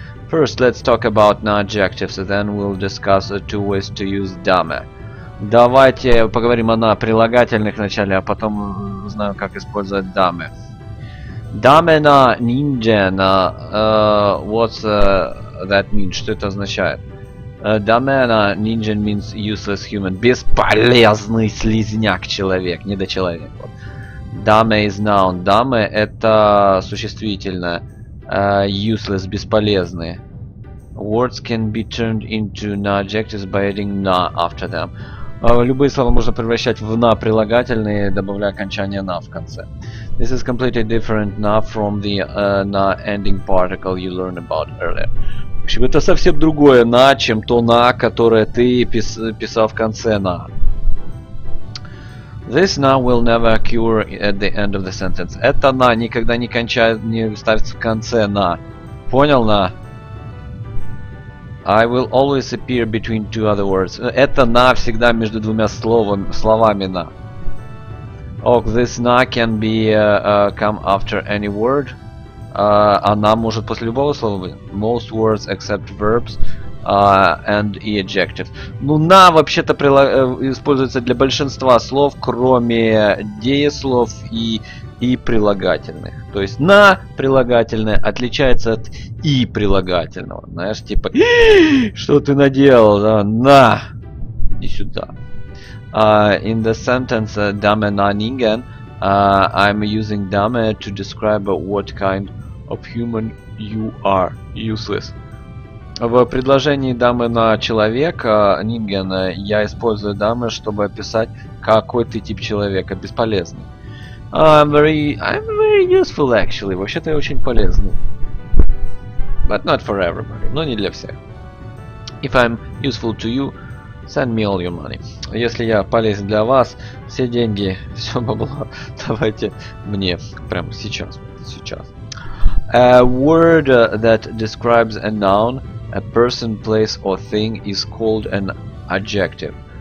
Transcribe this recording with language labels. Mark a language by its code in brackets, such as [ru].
[en] First, let's talk about na adjectives, and then we'll discuss two ways to use dame. [ru] Давайте поговорим о на прилагательных вначале, а потом узнаем, как использовать dame. [en] Dame na ninjen, what's that mean? [ru] Что это означает? [en] Dame na ninjen means useless human. [ru] Бесполезный слизняк человек, недочеловек. [en] Dame is noun. [ru] Dame – это существительное. [en] Useless, [ru] бесполезные. [en] Words can be turned into na adjectives by adding na after them. [ru] Любые слова можно превращать в на прилагательные, добавляя окончание на в конце. [en] This is completely different na from the na ending particle you learned about earlier. [ru] В общем, это совсем другое на, чем то на, которое ты писал в конце на. [en] This na will never occur at the end of the sentence. [ru] Это на никогда не кончает, не ставится в конце на. Понял на? [en] I will always appear between two other words. [ru] Это на всегда между двумя словами на. Oh, this na can be come after any word. Она может после любого слова быть. [en] Most words except verbs. And e adjective. [ru] Ну, на вообще-то используется для большинства слов, кроме дееслов и прилагательных. То есть на прилагательное отличается от и прилагательного. Знаешь, типа, что ты наделал, да? На! Иди сюда. [en] In the sentence dame na ningen, I'm using dame to describe what kind of human you are. Useless. [ru] В предложении дамы на человека, Нинген, я использую дамы, чтобы описать, какой ты тип человека, бесполезный. [en] I'm very useful, actually. [ru] Вообще-то я очень полезный. [en] But not for everybody. [ru] Но не для всех. [en] If I'm useful to you, send me all your money. [ru] Если я полезен для вас, все деньги, все бабло, давайте мне прямо сейчас. Сейчас. [en] A word that describes a noun. A person, place, or thing is called an adjective.